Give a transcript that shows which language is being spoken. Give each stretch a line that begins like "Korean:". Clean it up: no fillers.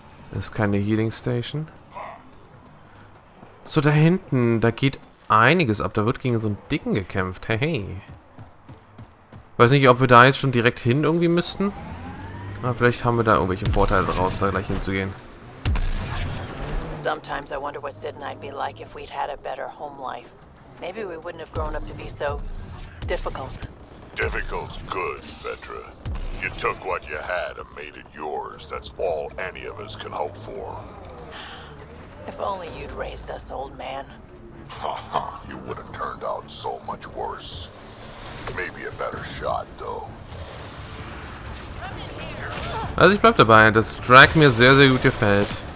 German: Das ist keine Healing Station. So, da hinten, da geht einiges ab. Da wird gegen so einen Dicken gekämpft. Hey, hey. Weiß nicht, ob wir da jetzt schon direkt hin irgendwie müssten. Aber vielleicht haben wir da irgendwelche Vorteile draus, da gleich hinzugehen.
English: Sometimes I wonder what Sid and I'd be like if we'd had a better home life. Maybe we wouldn't have grown up to be so difficult. Difficult's good, Vetra. You took what you had and made it yours. That's all any of us can hope for. If only you'd raised us, old man. Haha, you would have turned out so much worse. Maybe a better shot, though.
German: Also ich bleib dabei, das Drag mir sehr, sehr gut gefällt.